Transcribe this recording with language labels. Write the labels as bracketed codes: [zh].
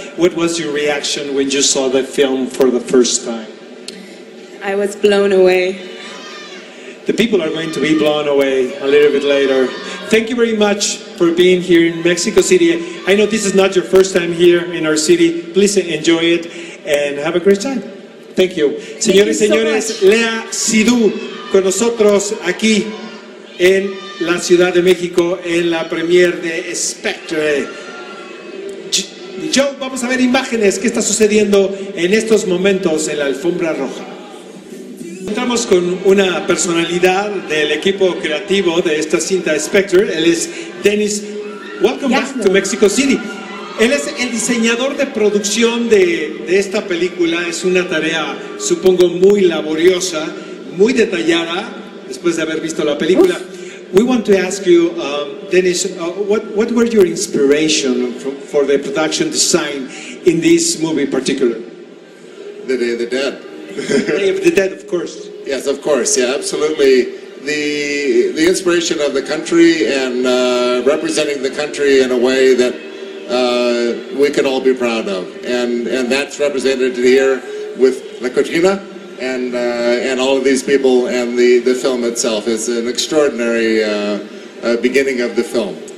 [en] What was your reaction when you saw the film for the first time? I was blown away. The people are going to be blown away a little bit later. Thank you very much for being here in Mexico City. I know this is not your first time here in our city. Please enjoy it and have a great time. Thank you. [es] Señores, señores, Lea Seydoux con nosotros aquí en la Ciudad de México en la premiere de Spectre. Joe, vamos a ver imágenes. ¿Qué está sucediendo en estos momentos en la alfombra roja? Encontramos con una personalidad del equipo creativo de esta cinta Spectre. Él es [en] Dennis. Welcome back to Mexico City. [es] Él es el diseñador de producción de esta película. Es una tarea, supongo, muy laboriosa, muy detallada, después de haber visto la película. [en] We want to ask you, Dennis, what were your inspiration for the production design in this movie in particular? The dead. The dead, of course. Yes, of course. Yeah, absolutely. The inspiration of the country and representing the country in a way that we can all be proud of, and that's represented here with La Cortina and all of these people, and the film itself is an extraordinary beginning of the film.